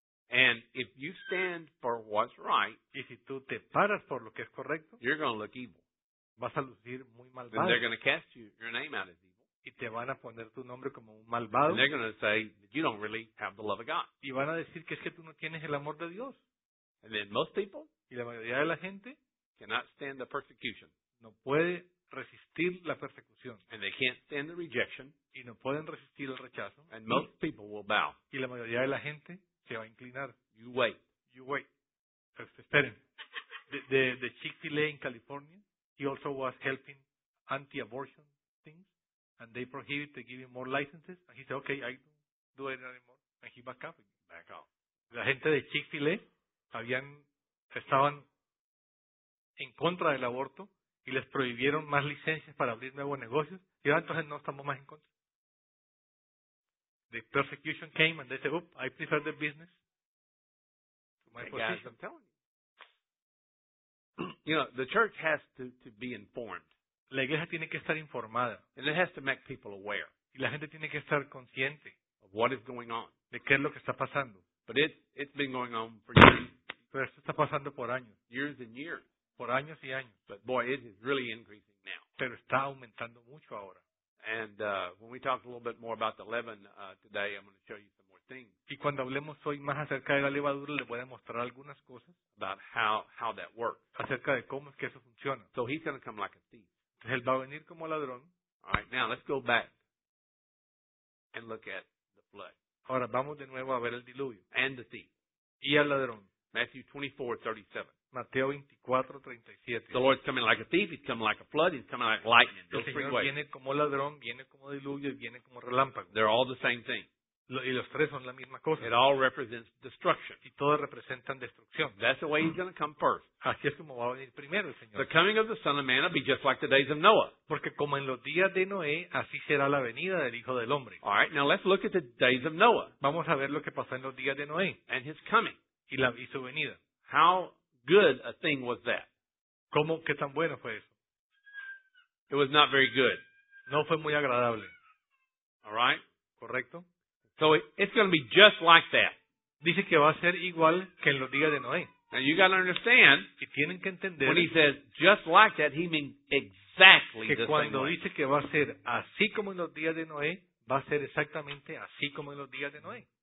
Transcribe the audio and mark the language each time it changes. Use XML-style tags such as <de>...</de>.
<en>And if you stand for what's right,</en> <es>y si tú te paras por lo que es correcto,</es> <en>you're going to look evil.</en> <es>Vas a lucir muy malvado.</es> <en>Then they're going to cast your name out as evil.</en> <es>Y te van a poner tu nombre como un malvado.</es> <en>And they're going to say, you don't really have the love of God.</en> <es>Y van a decir que es que tú no tienes el amor de Dios.</es> <en>And then most people,</en> <es>y la mayoría de la gente,</es> <en>cannot stand the persecution.</en> <es>No puede resistir la persecución.</es> <en>And they can't stand the rejection.</en> <es>Y no pueden resistir el rechazo.</es> <en>And most people will bow.</en> <es>Y la mayoría de la gente se va a inclinar.</es> <en>You wait. You wait.</en> <es>Pues esperen.</es> <en>The Chick-fil-A in California, he also was helping anti-abortion things. And they prohibited giving more licenses. And he said, okay, I don't do it anymore. And he back up. Back out.</en> <es>La gente de Chick-fil-A estaban en contra del aborto y les prohibieron más licencias para abrir nuevos negocios. Y ahora entonces no estamos más en contra.</es> <en>The persecution came and they said, oop, I prefer the business to my position. Guys, I'm telling you. You know, the church has to be informed.</en> <es>La iglesia tiene que estar informada.</es> <en>And it has to make people aware.</en> <es>Y la gente tiene que estar consciente</es> <en>of what is going on.</en> <es>De qué es lo que está pasando.</es> <en>But it's been going on for years.</en> <es>Pero esto está pasando por años.</es> <en>Years and years.</en> <es>Por años y años.</es> <en>But boy, it is really increasing now.</en> <es>Pero está aumentando mucho ahora.</es> <en>And when we talk a little bit more about the leaven today, I'm going to show you some more things.</en> <es>Y cuando hablemos hoy más acerca de la levadura, le voy a mostrar algunas cosas.</es> <en>About how that works.</en> <es>Acerca de cómo es que eso funciona.</es> <en>So he's going to come like a thief.</en> <es>Él va a venir como ladrón.</es> <en>All right, now let's go back and look at the flood.</en> <es>Ahora vamos de nuevo a ver el diluvio.</es> <en>And the thief.</en> <es>Y el ladrón.</es> <en>Matthew 24:37.</en> <es>Mateo 24:37.</es> <en>The Lord's coming like a thief. He's coming like a flood. He's coming like lightning.</en> <es>El Señor viene como ladrón, viene como diluvio, viene como relámpago.</es> <en>They're all the same thing.</en> <es>Y los tres son la misma cosa.</es> <en>It all represents destruction.</en> <es>Y todos representan destrucción.</es> <en>That's the way he's going to come first.</en> <es>Así es como va a venir primero el Señor.</es> <en>The coming of the Son of Man will be just like the days of Noah.</en> <es>Porque como en los días de Noé, así será la venida del Hijo del Hombre.</es> <en>All right, now let's look at the days of Noah.</en> <es>Vamos a ver lo que pasó en los días de Noé.</es> <en>And his coming.</en> <es>Y su venida.</es> <en>How good a thing was that?</en> <es>¿Cómo, qué tan bueno fue eso?</es> <en>It was not very good.</en> <es>No fue muy agradable.</es> <en>All right?</en> <es>Correcto.</es> <en>So it's going to be just like that.</en> <es>Dice que va a ser igual que en los días de Noé.</es> <en>Now you got to understand.</en> <es>Y tienen que entender.</es> <en>When he says just like that, he means exactly the same.</en> <es>Que cuando dice que va a ser así como en los días de Noé, va a ser exactamente así como en los días de Noé.</es>